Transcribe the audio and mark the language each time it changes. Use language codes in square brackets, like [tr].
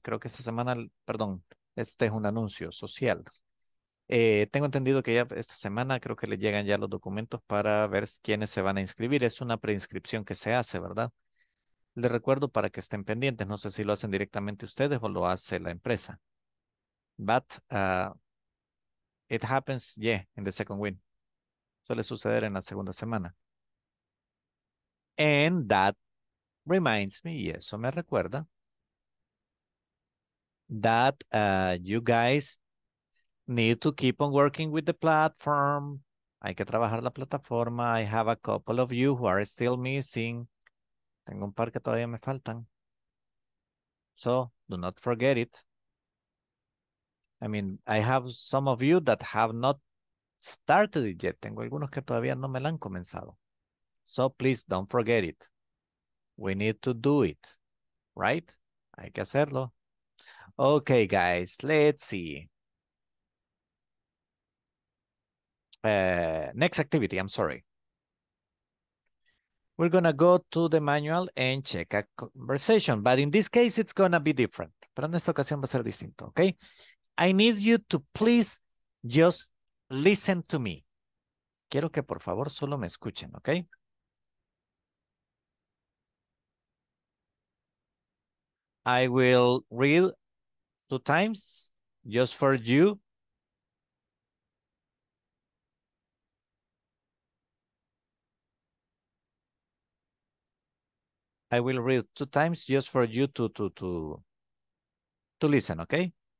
[es] Creo que esta semana, perdón, este es un anuncio social. Tengo entendido que ya esta semana creo que le llegan ya los documentos para ver quiénes se van a inscribir. Es una preinscripción que se hace, ¿verdad? Les recuerdo para que estén pendientes. No sé si lo hacen directamente ustedes o lo hace la empresa. [en] But it happens, yeah, in the second week. [es] Suele suceder en la segunda semana. [en] And that reminds me, [es] y eso me recuerda, [en] that you guys need to keep on working with the platform. [es] Hay que trabajar la plataforma. [en] I have a couple of you who are still missing. [es] Tengo un par que todavía me faltan. [en] So, do not forget it. I mean, I have some of you that have not started it yet. [es] Tengo algunos que todavía no me la han comenzado. [en] So, please, don't forget it. We need to do it. Right? [es] Hay que hacerlo. [en] Okay, guys. Let's see. Next activity. I'm sorry. We're going to go to the manual and check a conversation. But in this case, it's going to be different. [es] Pero en esta ocasión va a ser distinto, okay? [en] I need you to please just listen to me. [es] Quiero que por favor solo me escuchen, okay? [en] I will read two times just for you. I will read two times just for you to listen, okay?